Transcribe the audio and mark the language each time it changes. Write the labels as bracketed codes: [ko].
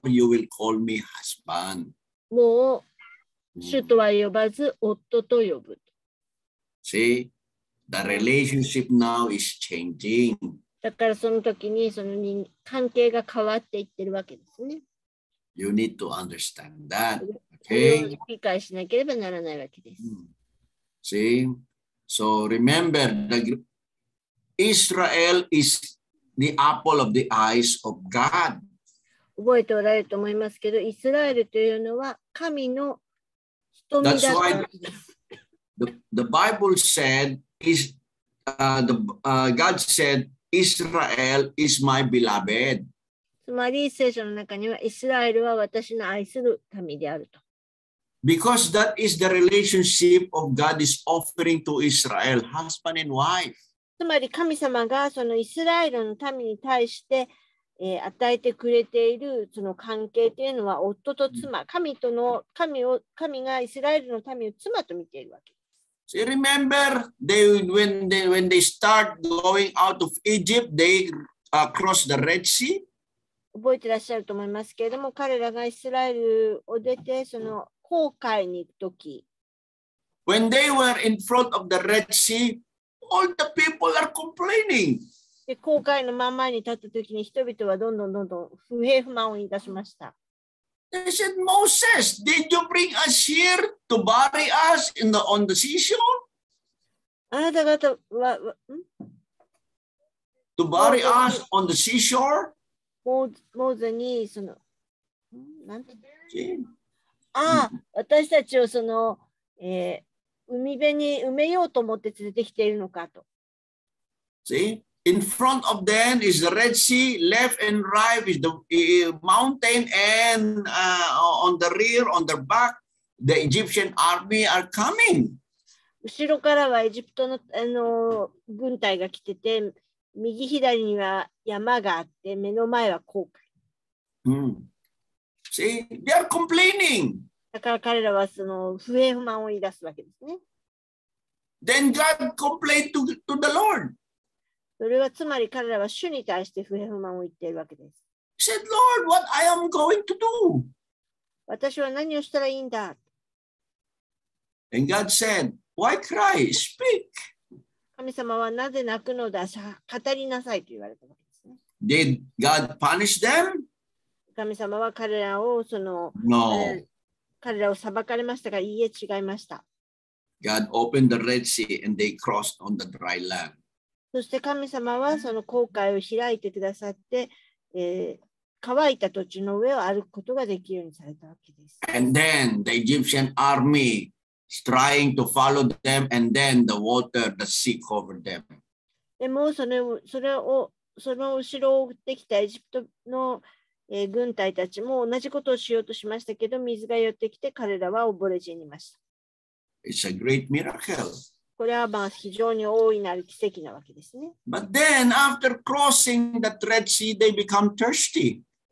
[en] You will call me husband. [ja] もう主とは呼ばず夫と呼ぶ。 [en] See, the relationship now is changing. [ja] だからその時にその関係が変わっていってるわけですね。 [en] You need to understand that. Okay. [ja] 理解しなければならないわけです。 [en] See. So remember, Israel is the apple of the eyes of God. [ja] 覚えておられると思いますけど、イスラエルというのは神の瞳だ。 [en] That's why the Bible said is God said Israel is my beloved. [ja] つまり聖書の中にはイスラエルは私の愛する民であると。 [en] Because that is the relationship of God is offering to Israel, husband and wife. [ja] つまり神様がそのイスラエルの民に対して、与えてくれているその関係というのは夫と妻、神との神を神がイスラエルの民を妻と見ているわけです。 [en] So、remember they when they start going out of Egypt, they cross the Red Sea. [ja] 覚えてらっしゃると思いますけれども、彼らがイスラエルを出てその航海に行くとき、 [en] When they were in front of the Red Sea, all the people are complaining. [ja] で、航海の真ん前に立ったときに人々はどんどんどんどん不平不満を言い出しました。 [en] They said, Moses, did you bring us here to bury us in the, on the seashore? [ja] あなた方は、 [en] To bury us on the seashore? [ja] モーゼに、その、なんて。ああ、私たちをその、海辺に埋めようと思って連れてきているのかと。 [en] See, in front of them is the Red Sea, left and right is the mountain, and on the rear, on the back, the Egyptian army are coming. [ja] 後ろからはエジプトの、軍隊が来てて、右左には山があって、目の前は航海。 [en] See, they are complaining. [ja] だから彼らはその不平不満を言い出すわけですね。 [en] Then God complained to the Lord. [ja] それはつまり彼らは主に対して不平不満を言っているわけです。 [en] He said, Lord, what I am going to do? [ja] 私は何をしたらいいんだ。 [en] And God said, Why cry? Speak. [ja] 神様はなぜ泣くのだ。語りなさいと言われたわけですね。 [en] Did God punish them? [ja] 神様は彼らをその、 [en] No. [ja] 彼らを裁かれましたが、いいえ違いました。 [en] God opened the Red Sea and they crossed on the dry land. [ja] そして神様はその航海を開いてくださって、乾いた土地の上を歩くことができるようにされたわけです。 [en] And then the Egyptian army is trying to follow them and then the water, the sea covered them. [ja] でもその後ろを追ってきたエジプトの軍隊たちも同じことをしようとしましたけど、水が寄ってきて彼らは溺れ死にました。 [en] It's a great miracle. [ja] これはまあ非常に大いなる奇跡なわけですね。 [en] But then, after crossing the Red Sea, they become thirsty.